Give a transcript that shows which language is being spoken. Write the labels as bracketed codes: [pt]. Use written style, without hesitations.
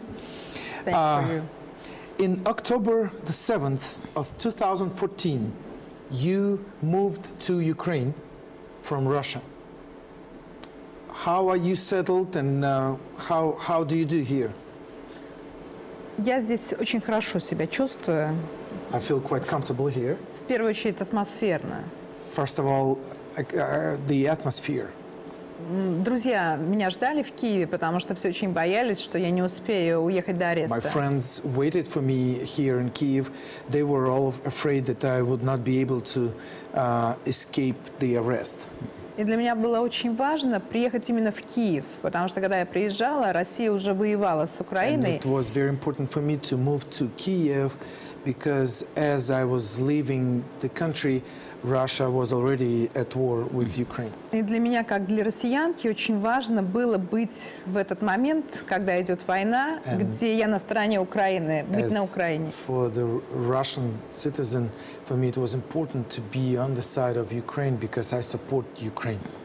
[en] Thank you. In October the 7th of 2014, you moved to Ukraine from Russia. How are you settled, and how do you do here? [ru] Я здесь очень хорошо себя чувствую. [en] I feel quite comfortable here. [ru] В первую очередь атмосферно. [en] First of all, the atmosphere. [ru] Друзья меня ждали в Киеве, потому что все очень боялись, что я не успею уехать до ареста. [en] My friends waited for me here in Kyiv. They were all afraid that I would not be able to escape the arrest. [ru] И для меня было очень важно приехать именно в Киев, потому что когда я приезжала, Россия уже воевала с Украиной. [en] And it was very important for me to move to Kyiv, because as I was leaving the country, Russia was already at war with Ukraine. [ru] И для меня, как для россиянки, очень важно было быть в этот момент, когда идет война, где я на стороне Украины, быть на Украине. [en] For the Russian citizen, for me it was important to be on the side of Ukraine because I support Ukraine.